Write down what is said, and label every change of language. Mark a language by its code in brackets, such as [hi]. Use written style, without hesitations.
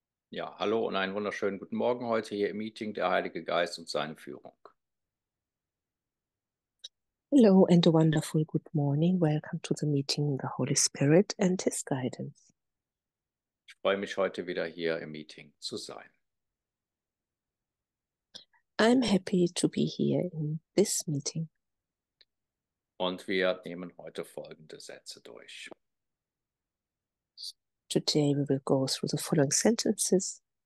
[de] Ja, hallo und einen wunderschönen guten Morgen heute hier im Meeting der Heilige Geist und seine Führung. [en] Hello and a wonderful good morning. Welcome to the meeting the Holy Spirit and His guidance. [de] Ich freue mich heute wieder hier im Meeting zu sein. [en] I'm happy to be here in this meeting. [de] Und wir nehmen heute folgende Sätze durch. [en] Today we will go through the following sentences.